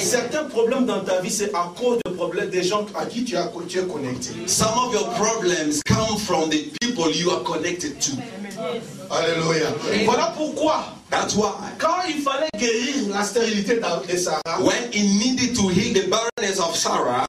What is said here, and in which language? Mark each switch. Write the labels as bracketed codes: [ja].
[fr] Certains problèmes dans ta vie c'est à cause de problèmes des gens à qui tu es connecté. [en] Some of your problems come from the people you are connected to. [fr] Alléluia. Voilà pourquoi. [en] That's why. [fr] Quand il fallait guérir la stérilité de Sarah. [en] When he needed to heal the barrenness of Sarah.